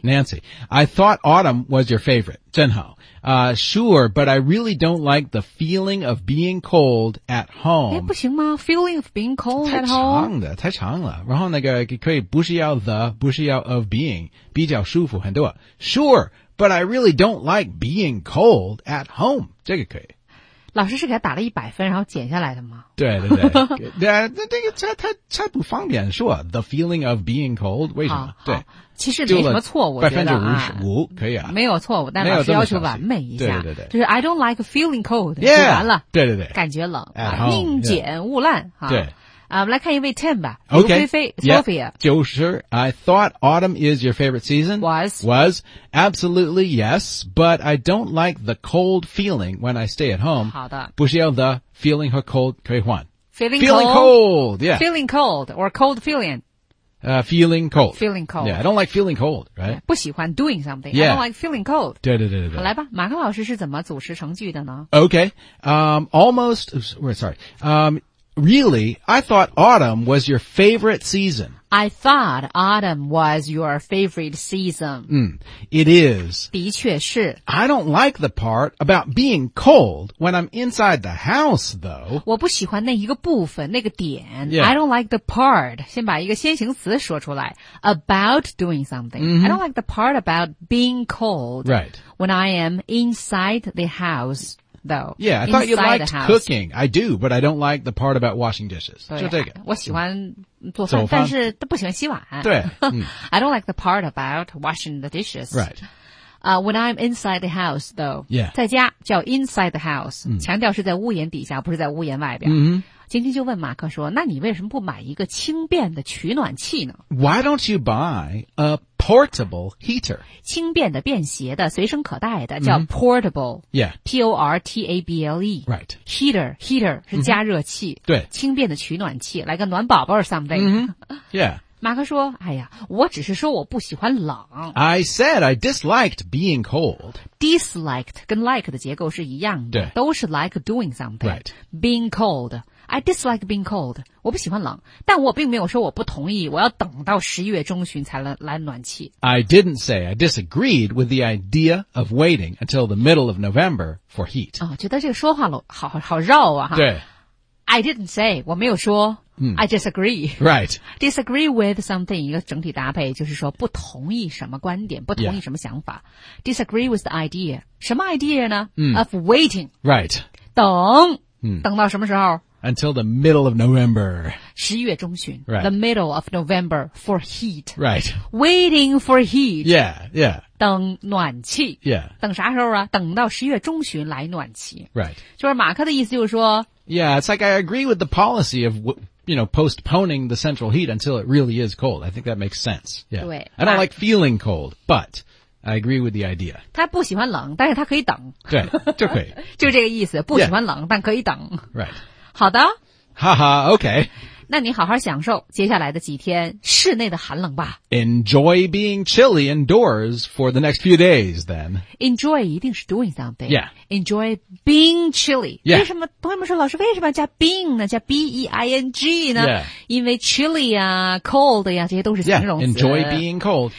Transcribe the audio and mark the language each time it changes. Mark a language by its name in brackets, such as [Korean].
[English] Nancy, I thought autumn was your favorite, [Chinese] 真好。 [English] Sure, but I really don't like the feeling of being cold at home. [Chinese] 不行吗 [English] ?Feeling of being cold at home? [Chinese] 太长了太长了。然后那个可以不需要 the, 不需要 of being, 比较舒服很多。 [English] Sure, but I really don't like being cold at home. [Chinese] 这个可以。老师是给他打了100分然后减下来的吗对对对。对那个他不方便说 , [English] the feeling of being cold, [Chinese] 为什么对。其实没什么错误。 55%可以啊。没有错误但老师要求完美一下。对对对。 [English] 就是 I don't like feeling cold, yeah, [Chinese] 完了。对对对。感觉冷。宁简勿滥。对。啊、我们来看一位 Tim 吧。 [English] Okay, [Chinese] 刘菲菲 Sophia. [English] Yeah, 就是 I thought autumn is your favorite season. Was. Was. Absolutely yes, but I don't like the cold feeling when I stay at home. [Chinese] 好的。不需要 the feeling 和 cold 可以换。 [English] Feeling cold. Yeah. Feeling cold or cold feeling. Feeling cold. Feeling cold. Yeah, I don't like feeling cold, right? [Chinese] 不喜欢 [English] doing something. Yeah. I don't like feeling cold. [Chinese] 对对对对对。好来吧马克老师是怎么组织成句的呢 [English] Okay. Almost, sorry. Really, I thought autumn was your favorite season. I thought autumn was your favorite season. It is. [Chinese] 的确是。 [English] I don't like the part about being cold when I'm inside the house, though. [Chinese] 我不喜欢那一个部分,那个点。 [English] Yeah. I don't like the part. [Chinese] 先把一个先行词说出来。 [English] About doing something. Mm-hmm. I don't like the part about being cold. Right. When I am inside the house. Though, yeah, I thought you liked cooking. I do, but I don't like the part about washing dishes. [Chinese] 就这个。我喜欢做饭，但是都不喜欢洗碗。对。 [English] I don't like the part about washing the dishes. Right. When I'm inside the house, though. Yeah. [Chinese] 在家叫 [English] inside the house. [Chinese] 强调是在屋檐底下，不是在屋檐外边。今天就问马克说，那你为什么不买一个轻便的取暖器呢？ [English] Why don't you buy a portable heater? [Chinese] 轻便的便携的随身可带的叫 portable. [English] Yeah. P-O-R-T-A-B-L-E. Right. [Chinese] Heater 是加热器。对。轻便的取暖器来个暖宝宝 or something. [English] Yeah. [Chinese] 马克说哎呀我只是说我不喜欢冷。 [English] I said I disliked being cold. [Chinese] Disliked 跟 like 的结构是一样的。对。都是 [English] like doing something. Right. Being cold. I dislike being cold. [Chinese] 我不喜欢冷，但我并没有说我不同意，我要等到11月中旬才来暖气。 [English] I didn't say I disagreed with the idea of waiting until the middle of November for heat. [Chinese] 哦，觉得这个说话好绕啊。对。 [English] I didn't say, [Chinese] 我没有说。 [English] I disagree. Right. Disagree with something, [Chinese] 一个整体搭配就是说不同意什么观点不同意什么想法。 [English] Yeah. Disagree with the idea. 什么 idea 呢？Of waiting. Right. [Chinese] 等。等到什么时候？ [English] Until the middle of November. [Chinese] 11月中旬。 [English] Right. The middle of November for heat. Right. Waiting for heat. Yeah, yeah. [Chinese] 等暖气。 [English] Yeah. [Chinese] 等啥时候啊等到11月中旬来暖气。 [English] Right. [Chinese] 就是马克的意思就是说。 [English] Yeah, it's like I agree with the policy of, you know, postponing the central heat until it really is cold. I think that makes sense. Yeah. [Chinese] 对。 [English] I don't like feeling cold, but... I agree with the idea. [Chinese] 他不喜欢冷但是他可以等。对就可以。就这个意思不喜欢冷、 [English] yeah. [Chinese] 但可以等。 [English] Right. [Chinese] 好的。哈哈 ,OK。那你好好享受接下来的几天室内的寒冷吧。 [English] Enjoy being chilly indoors for the next few days, then. [Chinese] Enjoy 一定是 [English] doing something. Yeah. Enjoy being chilly. Yeah. [Chinese] 为什么朋友们说老师为什么要加 being 呢加 B-E-I-N-G 呢、 [English] yeah. [Chinese] 因为 chilly 啊 cold 呀、啊、这些都是形容词。 [English] Yeah. Enjoy being cold.